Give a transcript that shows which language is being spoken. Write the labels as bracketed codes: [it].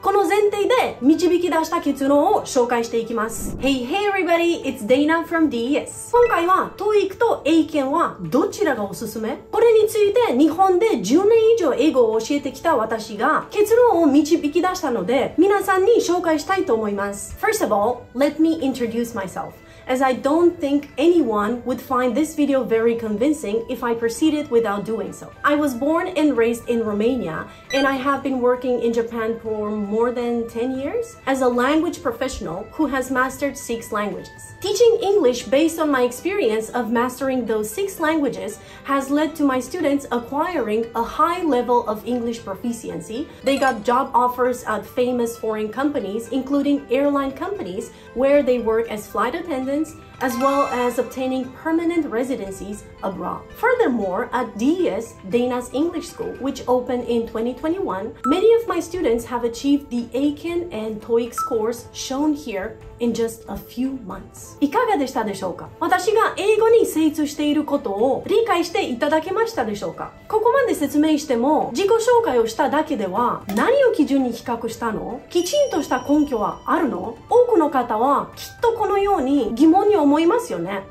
[ja] この前提で導き出した結論を紹介していきます。 [en] Hey, hey everybody, it's Dana from DES。 [ja] 今回は TOEIC と英検はどちらがおすすめ？これについて日本で10年以上英語を教えてきた私が結論を導き出したので皆さんに紹介したいと思います。 [en] First of all, let me introduce myself. As I don't think anyone would find this video very convincing if I proceeded without doing so. I was born and raised in Romania, and I have been working in Japan for more than 10 years as a language professional who has mastered 6 languages. Teaching English based on my experience of mastering those 6 languages has led to my students acquiring a high level of English proficiency. They got job offers at famous foreign companies, including airline companies, where they work as flight attendants. As well as obtaining permanent residencies abroad. Furthermore, at DES, Dana's English School, which opened in 2021, many of my students have achieved the AKEN and TOEIC scores shown here in just a few months. [ja] いかがでしたでしょうか？私が英語に精通していることを理解していただけましたでしょうか？ここまで説明しても自己紹介をしただけでは何を基準に比較したの？きちんとした根拠はあるの？多くの方はきっとこのように疑問に思いますよね。